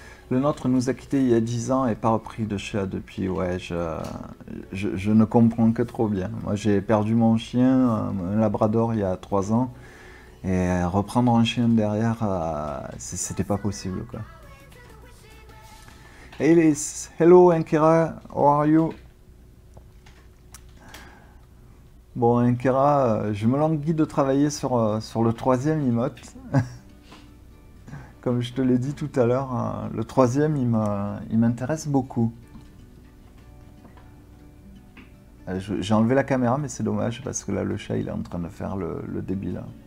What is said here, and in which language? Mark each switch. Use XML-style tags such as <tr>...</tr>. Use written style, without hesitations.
<fr>Le nôtre nous a quitté il y a 10 ans et pas repris de chat depuis. Ouais, je ne comprends que trop bien. Moi, j'ai perdu mon chien, un labrador, il y a 3 ans. Et reprendre un chien derrière, c'était pas possible, quoi.</fr> <en>Hey Liz, hello Ankira, how are you?</en> <fr>Bon, Ankira, je me languis de travailler sur le troisième emote. Comme je te l'ai dit tout à l'heure, le troisième, il m'intéresse beaucoup. J'ai enlevé la caméra, mais c'est dommage, parce que là, le chat, il est en train de faire le débile.</fr>